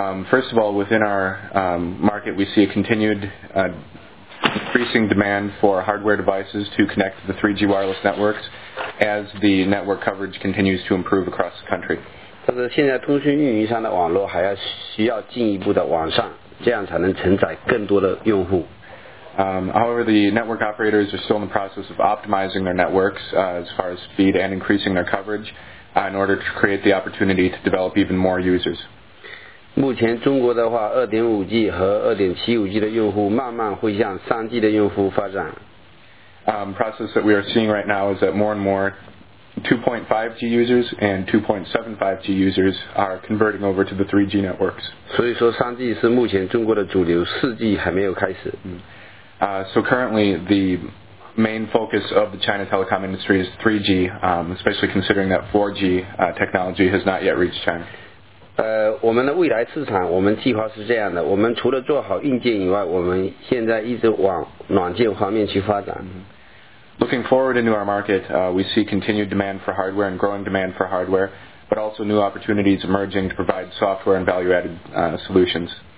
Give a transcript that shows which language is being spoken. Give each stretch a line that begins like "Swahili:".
English: First of all, within our market, we see a continued increasing demand for hardware devices to connect to the 3G wireless networks as the network coverage continues to improve across the country.
Chinese: 但是现在通讯运营商的网络还要需要进一步的网上，这样才能承载更多的用户。
English: However, the network operators are still in the process of optimizing their networks as far as speed and increasing their coverage in order to create the opportunity to develop even more users.
Chinese: 目前中国的话 2.5G和2.75G的用户慢慢会向3G的用户发展。
English: Process that we are seeing right now is that more and more 2.5G users and 2.75G users are converting over to the 3G networks.
Chinese: 所以说3G是目前中国的主流, 4G还没有开始。
English: So currently the main focus of the China telecom industry is 3G, especially considering that 4G technology has not yet reached China.
Chinese: 我们的未来市场我们计划是这样的，我们除了做好硬件以外，我们现在一直往软件方面去发展。
English: Looking forward into our market, we see continued demand for hardware and growing demand for hardware, but also new opportunities emerging to provide software and value-added solutions.